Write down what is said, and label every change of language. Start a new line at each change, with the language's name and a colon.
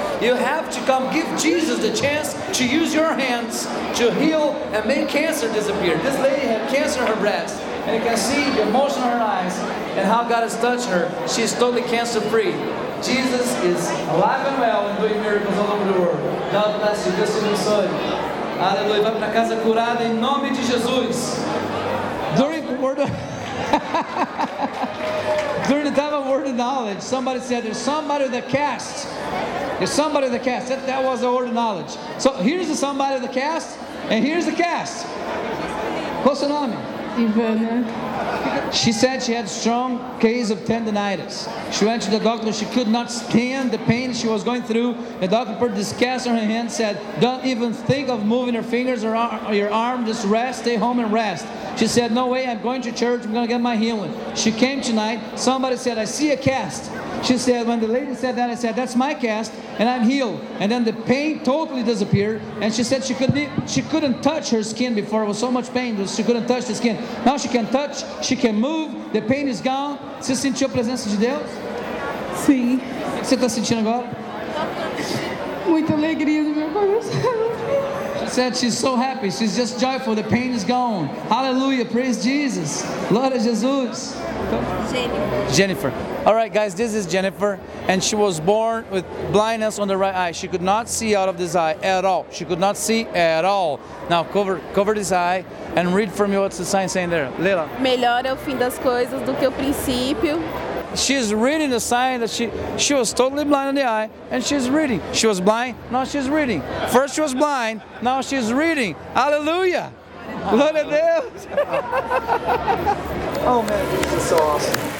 English: You have to come give Jesus the chance to use your hands to heal and make cancer disappear. This lady had cancer in her breast, and you can see the emotion in her eyes and how God has touched her. She is totally cancer free. Jesus is alive and well and doing miracles all over the world. God bless you.
Portuguese: Deus te abençoe. Aleluia. Vai para casa curada em nome de Jesus.
English: During the time of word of knowledge, somebody said, there's somebody in the cast. That was the word of knowledge. So here's the somebody in the cast, and here's the cast. What's her name? Ivana. She said she had a strong case of tendonitis. She went to the doctor. She could not stand the pain she was going through. The doctor put this cast on her hand and said, don't even think of moving your fingers or your arm. Just rest. Stay home and rest. She said, no way. I'm going to church. I'm going to get my healing. She came tonight. Somebody said, I see a cast. She said, when the lady said that, I said, that's my cast, and I'm healed. And then the pain totally disappeared. And she said she couldn't touch her skin before. It was so much pain that she couldn't touch the skin. Now she can touch. She can move. The pain is gone.
Portuguese: Você sentiu a presença de Deus? Sim. O que você está sentindo agora? Muita alegria do meu coração.
English: She said she's so happy. She's just joyful. The pain is gone. Hallelujah. Praise Jesus.
Portuguese: Glória a Jesus.
English: Jennifer. All right, guys, this is Jennifer, and she was born with blindness on the right eye. She could not see out of this eye at all. She could not see at all. Now cover this eye and read for me what's the sign saying there.
Portuguese: Lila. Melhor é o fim das coisas do que o princípio.
English: She's reading the sign that she was totally blind in the eye, and she's reading. She was blind, now she's reading. First she was blind, now she's reading.
Portuguese: Hallelujah. Glória a Deus.
English: Oh, man, this is so awesome.